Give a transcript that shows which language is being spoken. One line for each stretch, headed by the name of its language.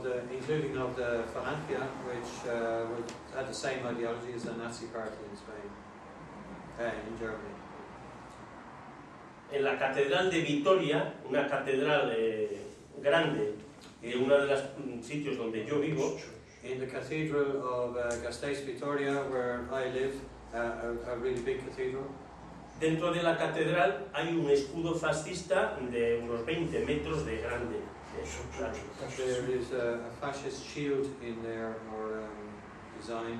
English: Including of the Falangia, which had the same ideology as the Nazi party in Spain, in Germany.
Spanish: En la Catedral de Vitoria, una catedral grande, en uno de los sitios donde yo vivo.
English: In the Cathedral of Gasteiz Vitoria, where I live, a really big cathedral.
Spanish: Dentro de la catedral hay un escudo fascista de unos 20 metros de grande.
English: There is a fascist shield in there, or design.